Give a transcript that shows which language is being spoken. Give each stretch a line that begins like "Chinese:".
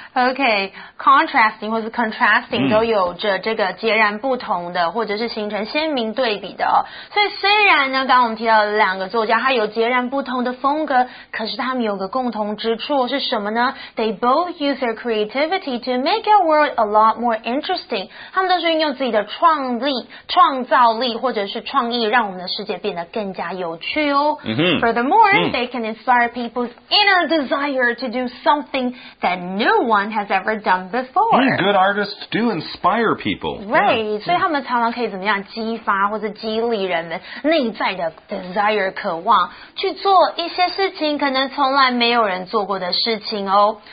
Chinese: Okay, contrasting 或是 contrasting 都有着这个截然不同的或者是形成鲜明对比的、哦、所以虽然呢，刚刚我们提到的两个作家他有截然不同的风格，可是他们有个共同之处是什么呢？
English: They both use their creativity to make our world a lot more interesting.
Chinese: 他们都是运用自己的创造力或者是创意让我们的世界变得更加有趣哦。
English: Furthermore, they can inspire people's innerdesire to do something that no one has ever done before. Yeah, good artists do inspire people. Right, so they can
Chinese: 常常可以怎么样激发或者激励人们内在的 desire 渴望去做一些事情可能从来没有人做过的事情哦。